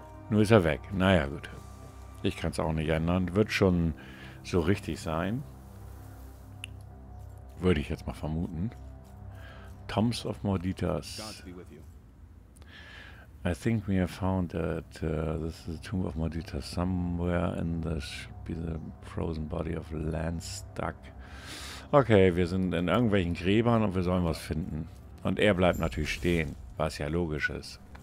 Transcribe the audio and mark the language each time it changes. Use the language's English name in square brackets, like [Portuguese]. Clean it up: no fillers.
[German] Nur ist er weg. Naja, gut. Ich kann es auch nicht ändern. Wird schon so richtig sein. Würde ich jetzt mal vermuten. [English] Toms of Morditas. I think we have found that this is the tomb of Morditas. Somewhere in this should be the frozen body of Landstuck. [German] Okay, wir sind in irgendwelchen Gräbern und wir sollen was finden. Und er bleibt natürlich stehen, was ja logisch ist.